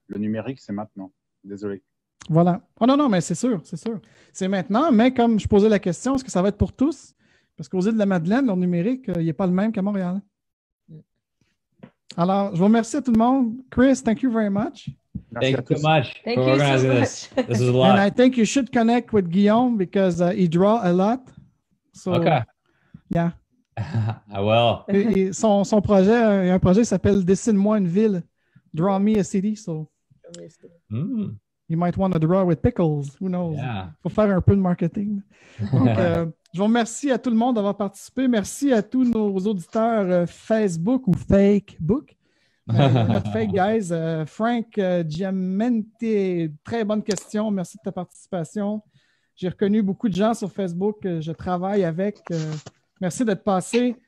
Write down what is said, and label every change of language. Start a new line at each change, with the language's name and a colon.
French: Le numérique, c'est maintenant. Désolé. Voilà. Oh non, mais c'est sûr, c'est sûr. C'est maintenant, mais comme je posais la question, est-ce que ça va être pour tous? Parce qu'aux îles de la Madeleine, leur numérique, il n'est pas le même qu'à Montréal. Alors, je vous remercie à tout le monde.
English: Chris, thank you very much. Thank you so much. This is a lot. And I think you should connect with Guillaume because he draw a lot. So, okay. Yeah. I will.
French: Son projet, il y a un projet qui s'appelle Dessine-moi une ville.
English: Draw me a city. So, you might want to draw with pickles. Who knows? Yeah.
French: Faut faire un peu de marketing. Donc, je vous remercie à tout le monde d'avoir participé. Merci à tous nos auditeurs Facebook ou Fakebook. Notre
English: fake guys.
French: Frank Giamente, très bonne question. Merci de ta participation. J'ai reconnu beaucoup de gens sur Facebook que je travaille avec. Merci d'être passé.